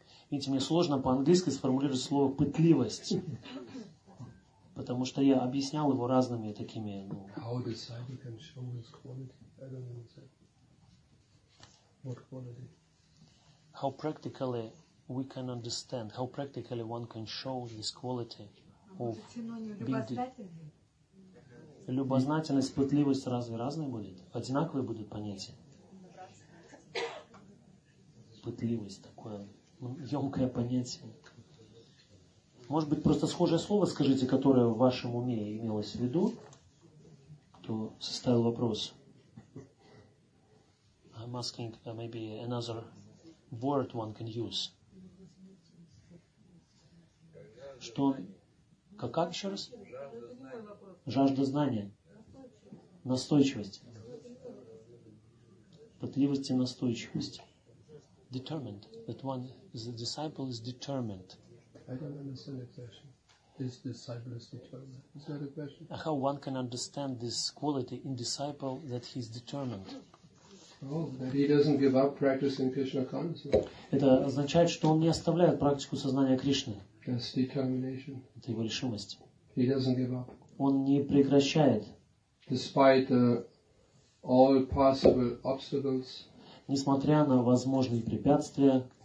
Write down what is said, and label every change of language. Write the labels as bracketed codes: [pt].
[ru] Видите, мне сложно по-английски сформулировать слово «пытливость», потому что я объяснял его разными такими... Ну, [en] how a disciple can show his quality? I don't understand. What quality? How practically we can understand, how practically one can show this quality of being... [ru] Любознательность, пытливость разве разные будут? Одинаковые будут понятия? Пытливость такое... Емкое понятие. Может быть, просто схожее слово скажите, которое в вашем уме имелось в виду, кто составил вопрос. [en] I'm asking maybe another word one can use. [ru] Что? Как еще раз? Жажда знания. Настойчивость. Пытливость и настойчивость. [en] Determined. That one, the disciple is determined. I don't understand the question. This disciple is determined. Is that a question? How one can understand this quality in disciple that he's determined? Oh, that he doesn't give up practicing Krishna consciousness. [ru] Это означает, что он не оставляет практику сознания Кришны. [en] That's determination. [ru] Это его решимость. [en] He doesn't give up. [ru] Он не прекращает. [en] Despite all possible obstacles. [ru] Несмотря на возможные препятствия,